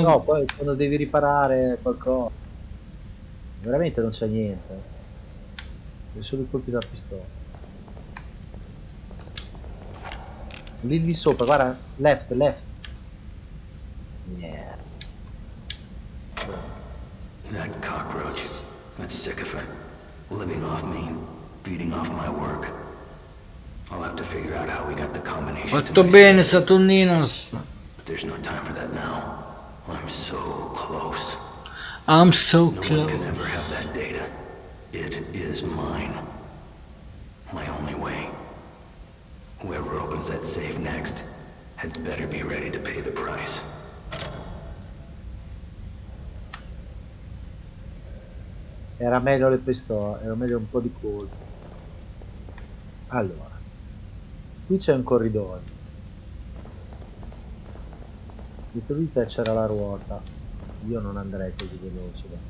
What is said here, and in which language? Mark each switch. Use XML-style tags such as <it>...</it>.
<it>No, poi quando devi riparare qualcosa. Veramente non c'è niente. C'è solo i colpi da pistola. Lì di sopra, guarda,</it> <en>left, left. Yeah. That cockroach, that sycophant, living off me, feeding off my work. I'll have to figure out how we got the combination.</en> <it>Fatto bene, Saturninos.</it> <en>But there's no time for that now. I'm so close. I'm so no close. No one can ever have that data. It is mine. My only way. Whoever opens that safe next had better be ready to pay the price.</en> <it>Era meglio le pistole, era meglio un po' di colpo. Allora, qui c'è un corridoio. Dietro di te c'era la ruota. Io non andrei così veloce.</it>